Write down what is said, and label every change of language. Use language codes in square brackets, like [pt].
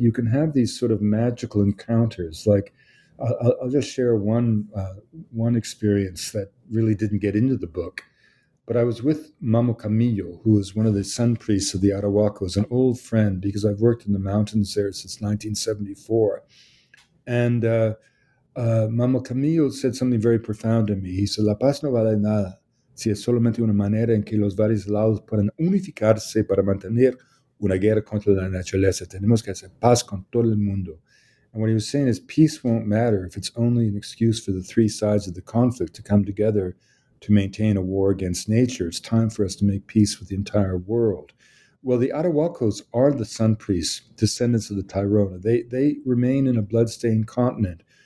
[en] You can have these sort of magical encounters. Like, I'll just share one experience that really didn't get into the book. But I was with Mamo Camillo, who is one of the sun priests of the Arawakos, an old friend, because I've worked in the mountains there since 1974. Mamo Camillo said something very profound to me. He said, [es] La paz no vale nada si es solamente una manera en que los varios lados pueden unificarse para mantener una guerra contra la naturaleza. Tenemos que hacer paz con todo el mundo. [en] And what he was saying is peace won't matter if it's only an excuse for the three sides of the conflict to come together to maintain a war against nature. It's time for us to make peace with the entire world. Well, the Arawakos are the sun priests, descendants of the Tairona. They remain in a bloodstained continent.